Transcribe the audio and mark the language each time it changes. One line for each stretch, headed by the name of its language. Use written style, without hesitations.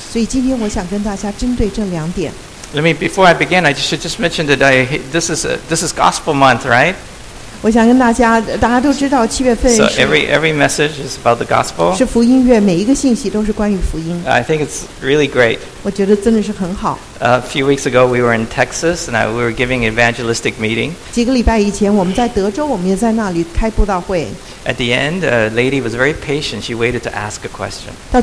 Chinese: 所以今天我想跟大家针对这两点。Let
English: me, before I begin, I should just mention that this is Gospel Month, right?
Chinese: 我想跟大家，大家都知道七月份。So
English: every message is about the gospel.
Chinese: 是福音月，每一个信息都是关于福音。I
English: think it's really great.
Chinese: 我觉得真的是很好。A
English: few weeks ago, we were in Texas, and we were giving evangelistic meeting.
Chinese: 几个礼拜以前，我们在德州，我们也在那里开布道会。At
English: the end, a lady was very patient. She waited to ask a question.